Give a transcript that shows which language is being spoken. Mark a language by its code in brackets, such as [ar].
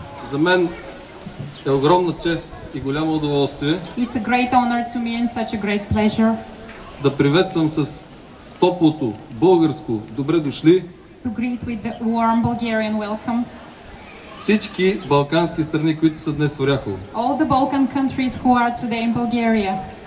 [bg] за мен е огромна чест и голямо удоволствие. [en] It's a great honor to me and such a great pleasure. [bg] Да приветствам с топлото българско добре дошли. [en] To greet with the warm Bulgarian welcome. [bg] Всички балкански страни, които са днес в Оряхово. [en] All the Balkan countries who are today in Bulgaria.